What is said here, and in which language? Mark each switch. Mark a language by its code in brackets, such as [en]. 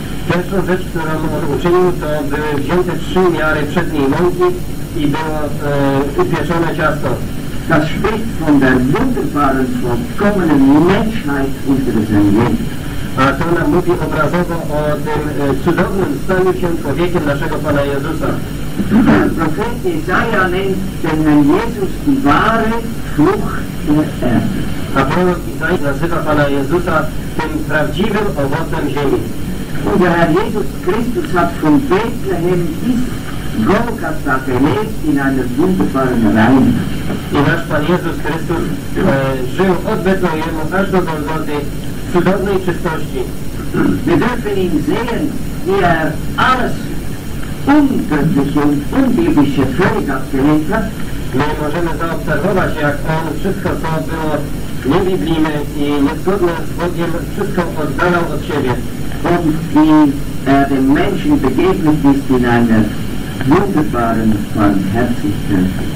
[pl] Pierwsza rzecz, która mogła uczynić, to były wzięte trzy miary przedniej mąki i było upieczone ciasto. [de] Das spricht von der wunderbaren, vollkommenen Menschheit unseres Herrn. [pl] A to nam mówi obrazowo o tym cudownym stanie się człowiekiem naszego Pana Jezusa. [de] Prophet Jesaja nennt den Herrn Jesus die wahre Frucht der Erde. [pl] A prorok Izaja nazywa Pana Jezusa tym prawdziwym owocem ziemi. [de] Und der Herr Jesus Christus hat von Bethlehem bis Golgatha gelebt in einer wunderbaren Reihe. [pl] I nasz Pan Jezus Chrystus żył od Betlejemu aż do Golgoty w cudownej czystości. [de] Wir dürfen ihn sehen, wie alles ungöttliche und unbiblische völlig abgelehnt hat. [pl] My możemy zaobserwować, jak on wszystko, co było niebiblijne i niezgodne z Bogiem, wszystko oddalał od siebie. [de] Und wie dem Menschen begegnet ist in einer wunderbaren Barmherzigkeit.